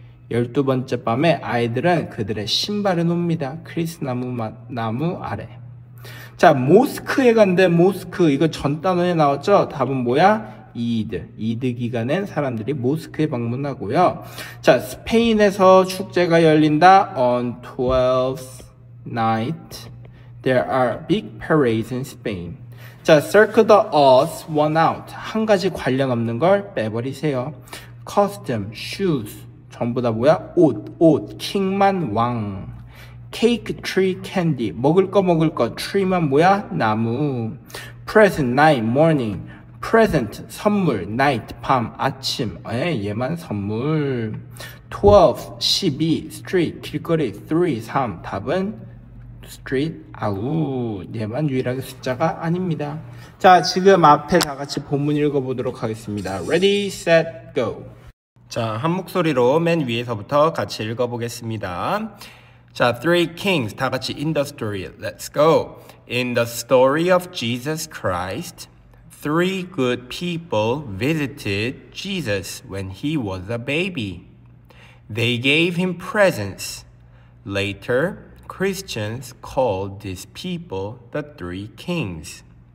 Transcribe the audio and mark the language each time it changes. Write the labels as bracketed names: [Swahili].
[Korean] 12번째 밤에 아이들은 그들의 신발을 놉니다. 크리스나무 나무 아래. 자, 모스크에 간대, 모스크. 이거 전 단원에 나왔죠? 답은 뭐야? 이드. 이드 기간엔 사람들이 모스크에 방문하고요. 자, 스페인에서 축제가 열린다. [English] On 12th night, there are big parades in Spain. 자, circle the odds, one out. [Korean] 한 가지 관련 없는 걸 빼버리세요. [English] Costume, shoes. [Korean] 전부 다 뭐야? 옷, 옷. 킹만 왕. [English] Cake, tree, candy. [Korean] 먹을 거, 먹을 거. Tree만 뭐야? 나무. [English] Present, night, morning. [Korean] Present, 선물, night, 밤, 아침, 에 얘만 선물. 12, 12, street, 길거리, 3, 3, 답은 street, 아우, 얘만 유일하게 숫자가 아닙니다. 자, 지금 앞에 다 같이 본문 읽어보도록 하겠습니다. [English] Ready, set, go. [Korean] 자, 한 목소리로 맨 위에서부터 같이 읽어보겠습니다. [English] 자, three kings, [Korean] 다 같이 [English] in the story, let's go. In the story of Jesus Christ, three good people visited Jesus when he was a baby. They gave him presents. Later, Christians called these people the three kings.